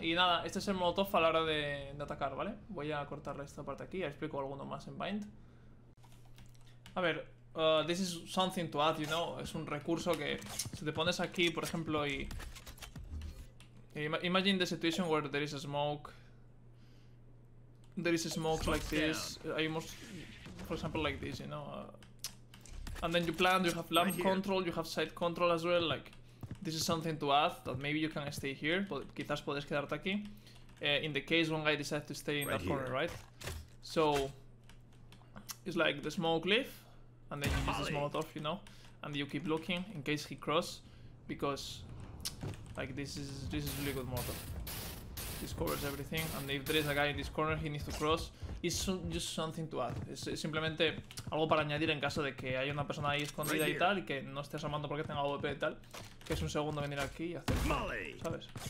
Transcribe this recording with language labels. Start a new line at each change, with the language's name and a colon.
Spanish: Y nada, este es el molotov a la hora de atacar, ¿vale? Voy a cortarle esta parte aquí. Ya explico alguno más en Bind. A ver...
English: this is something to add, you know,
Spanish: es un recurso que si te pones aquí, por ejemplo,
English: y imagine the situation where there is a smoke, like this, for example like this, you know, and then you plan, you have lamp control, you have sight control as well, like, this is something to add, that maybe you can stay here, but
Spanish: quizás puedes quedarte aquí,
English: in the case one guy decides to stay in that corner, right? So, it's like the smoke leaf. And then you use this molotov, you know, and you keep looking in case he cross, because like this is really good molotov. This covers everything, and if there is a guy in this corner, he needs to cross. It's just something to add.
Spanish: Es simplemente algo para añadir en caso de que haya una persona ahí escondida y tal, y que no esté asomando porque tenga WP y tal, que es un segundo venir aquí y hacer, ¿sabes?